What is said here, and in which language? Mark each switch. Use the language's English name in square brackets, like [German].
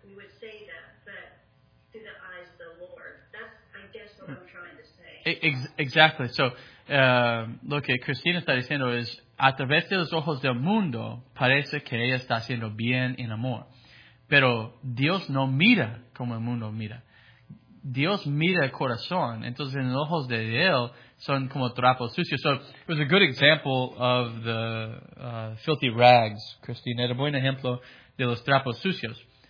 [English] We would say that, but through the eyes of the Lord. That's, I guess, what I'm trying to say. Exactly. [Spanish] So, lo que Cristina está diciendo es, a través de los ojos del mundo, parece que ella está haciendo bien en amor. Pero Dios no mira como el mundo mira. Dios mira el corazón. Entonces, en los ojos de él, son como trapos sucios. [English] So, it was a good example of the filthy rags, Christine. [Spanish] Era buen ejemplo de los trapos sucios.